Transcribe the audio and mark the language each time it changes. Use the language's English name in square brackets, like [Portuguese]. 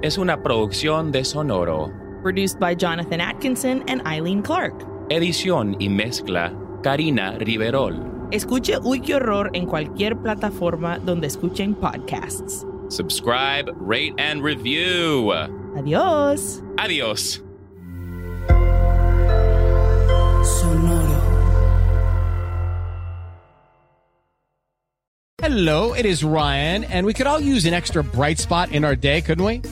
[Spanish] Es una producción de Sonoro. [English] Produced by Jonathan Atkinson and Eileen Clark. [Spanish] Edición y mezcla, Karina Riverol. Escuche [English] Uy, qué horror [Spanish] en cualquier plataforma donde escuchen podcasts. [English] Subscribe, rate, and review. [Spanish] Adiós. Adiós. [English] Hello, it is Ryan, and we could all use an extra bright spot in our day, couldn't we?